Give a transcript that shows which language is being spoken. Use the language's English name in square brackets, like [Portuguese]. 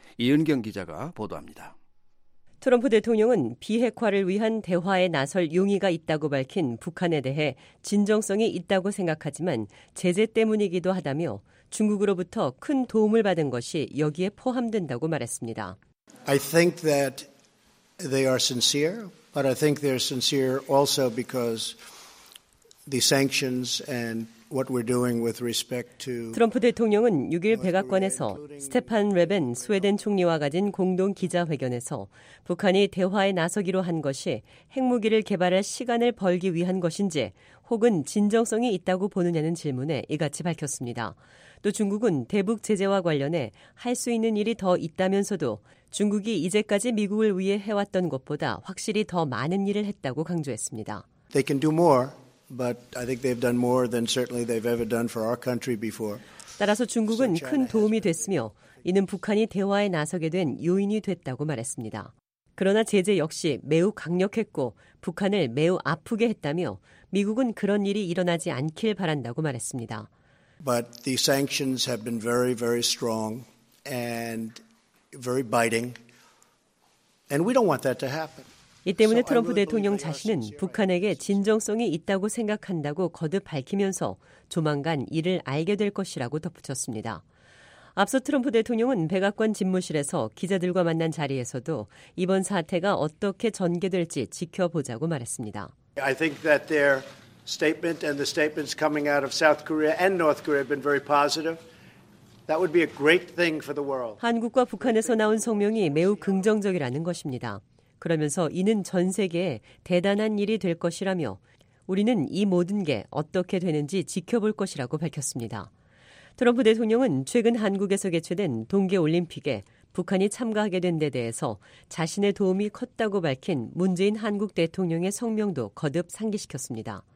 [Korean] 이은경 기자가 보도합니다. 트럼프 대통령은 비핵화를 위한 대화에 나설 용의가 있다고 밝힌 북한에 대해 진정성이 있다고 생각하지만 제재 때문이기도 하다며 중국으로부터 큰 도움을 받은 것이 여기에 포함된다고 말했습니다. [English] I think that they are sincere, but I think they're sincere also because the sanctions and what we're doing with respect to [Korean] 트럼프 대통령은 6일 백악관에서 스테판 레벤 스웨덴 총리와 가진 공동 기자회견에서 북한이 대화에 나서기로 한 것이 핵무기를 개발할 시간을 벌기 위한 것인지 혹은 진정성이 있다고 보느냐는 질문에 이같이 밝혔습니다. 또 중국은 대북 제재와 관련해 할 수 있는 일이 더 있다면서도 중국이 이제까지 미국을 위해 해왔던 것보다 확실히 더 많은 일을 했다고 강조했습니다. [English] They can do more, but I think they've done more than certainly they've ever done for our country before. [Korean] 따라서 중국은 큰 도움이 됐으며 이는 북한이 대화에 나서게 된 요인이 됐다고 말했습니다. 그러나 제재 역시 매우 강력했고 북한을 매우 아프게 했다며 미국은 그런 일이 일어나지 않길 바란다고 말했습니다. [English] But the sanctions have been very, very strong and very biting. And we don't want that to happen. [Korean] 이 때문에 트럼프 대통령 자신은 북한에게 진정성이 있다고 생각한다고 거듭 밝히면서 조만간 이를 알게 될 것이라고 덧붙였습니다. 앞서 트럼프 대통령은 백악관 집무실에서 기자들과 만난 자리에서도 이번 사태가 어떻게 전개될지 지켜보자고 말했습니다. [English] I think that their statement and the statements coming out of South Korea and North Korea have been very positive. That would be a great thing for the world. [Korean] 한국과 북한에서 나온 성명이 매우 긍정적이라는 것입니다. 그러면서 이는 전 세계에 대단한 일이 될 것이라며 우리는 이 모든 게 어떻게 되는지 지켜볼 것이라고 밝혔습니다. 트럼프 대통령은 최근 한국에서 개최된 동계올림픽에 북한이 참가하게 된 데 대해서 자신의 도움이 컸다고 밝힌 문재인 한국 대통령의 성명도 거듭 상기시켰습니다.